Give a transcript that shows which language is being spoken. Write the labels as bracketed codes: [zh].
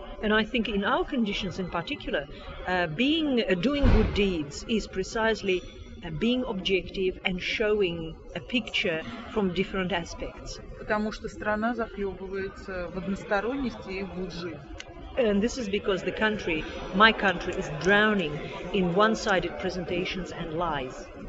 [en] And I think in our conditions in particular, being doing good deeds is precisely being objective and showing a picture from different aspects. [ru] Потому что страна захлебывается в односторонности и в лжи. [en] And this is because the country, my country, is drowning in one-sided presentations and lies.